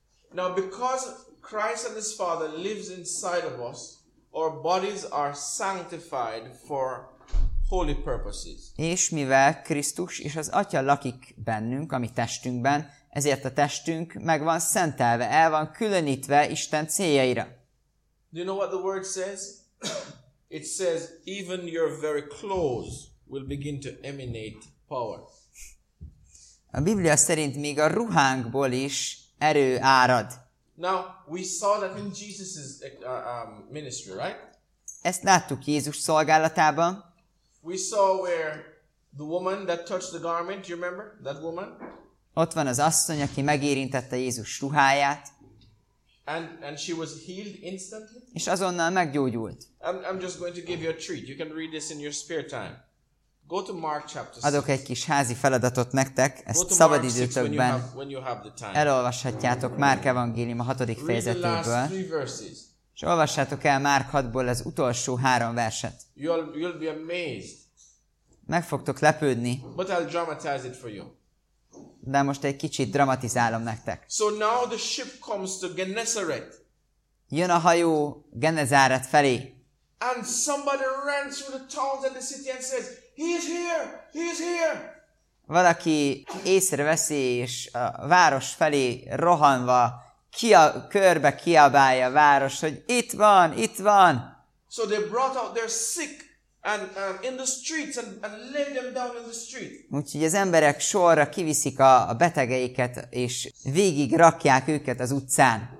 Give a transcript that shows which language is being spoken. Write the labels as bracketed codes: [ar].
[en] Now because Christ and his father lives inside of us, our bodies are sanctified for holy purposes. [hu] És mivel Krisztus és az atya lakik bennünk, a mi testünkben, ezért a testünk meg van szentelve, el van különítve Isten céljaira. [en] Do you know what the word says? It says even your very clothes will begin to emanate power. [hu] A Biblia szerint még a ruhánkból is erő árad. [en] Now, we saw that in Jesus's ministry, right? [hu] Ezt láttuk Jézus szolgálatában. [en] We saw where the woman that touched the garment, you remember that woman? [hu] Ott van az asszony, aki megérintette Jézus ruháját. [en] And she was healed instantly. [hu] És azonnal meggyógyult. [en] I'm just going to give you a treat. You can read this in your spare time. Go to Mark chapter 6. [hu] Adok egy kis házi feladatot nektek, ezt szabad időtökben elolvashatjátok Márk evangélium a 6. fejezetéből. És olvassátok el Márk 6-ból az utolsó 3 verset. [en] You'll be amazed. [hu] Meg fogtok lepődni. [en] But I'll dramatize it for you. [hu] De most egy kicsit dramatizálom nektek. [en] So now the ship comes to Gennesaret. [hu] Jön a hajó Genezáret felé. [en] And somebody ran through the towns and the city and says, He is here. [hu] Valaki észreveszi, és a város felé rohanva körbe kiabálja a város, hogy itt van. [en] So they brought out their sick and in the streets and laid them down in the street. [hu] Úgyhogy az emberek sorra kiviszik a betegeiket, és végig rakják őket az utcán.